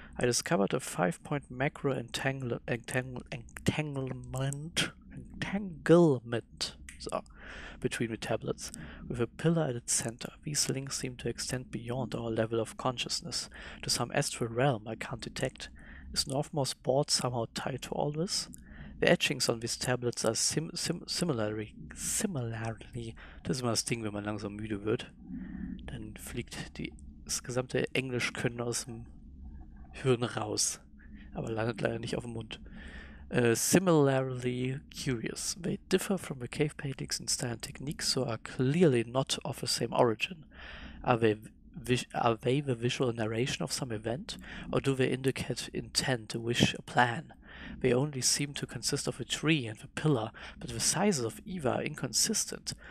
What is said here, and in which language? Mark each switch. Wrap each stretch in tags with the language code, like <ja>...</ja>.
<en>I discovered a 5-point macro entanglement between the tablets, with a pillar at its center. These links seem to extend beyond our level of consciousness, to some astral realm I can't detect. Is Northmore's board somehow tied to all this? The etchings on these tablets are similarly.</en> <de>Das ist immer das Ding, wenn man langsam müde wird. Dann fliegt das gesamte Englischkönnen aus dem Hirn raus. Aber landet leider nicht auf dem Mund.</de> <en>Similarly curious. They differ from the cave paintings in style and technique, so are clearly not of the same origin. Are they the visual narration of some event, or do they indicate intent, a wish, a plan? They only seem to consist of a tree and a pillar, but the sizes of either are inconsistent.</en>